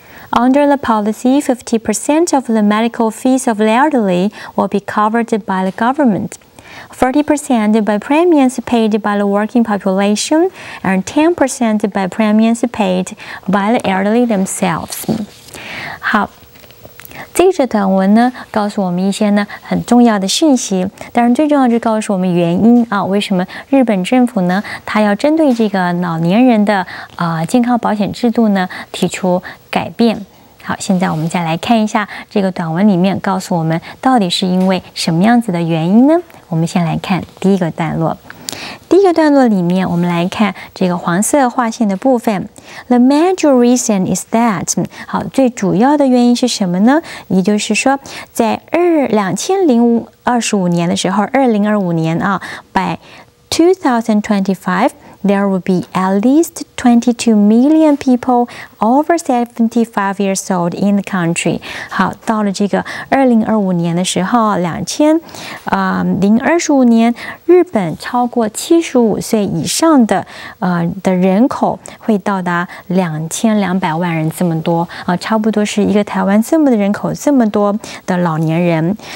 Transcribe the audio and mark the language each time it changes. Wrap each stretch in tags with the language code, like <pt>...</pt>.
<en>Under the policy, 50% of the medical fees of the elderly will be covered by the government. 40% by premiums paid by the working population and 10% by premiums paid by the elderly themselves.</en> <zh>好，这则短文呢，告诉我们一些呢很重要的信息。当然，最重要就是告诉我们原因啊，为什么日本政府呢，它要针对这个老年人的健康保险制度呢提出改变。好，现在我们再来看一下这个短文里面告诉我们到底是因为什么样子的原因呢？我们先来看第一个段落。第一个段落里面，我们来看这个黄色划线的部分。</zh> <en>The major reason is that，</en> <zh>好，最主要的原因是什么呢？也就是说，在2025年的时候，2025年啊 ，</zh> <en>by 2025。 There will be at least 22 million people over 75 years old in the country.</en> <zh>好，到了这个2025年的时候，2025年，日本超过75岁以上的人口会到达2200万人这么多，差不多是一个台湾这么的人口，这么多的老年人。</zh>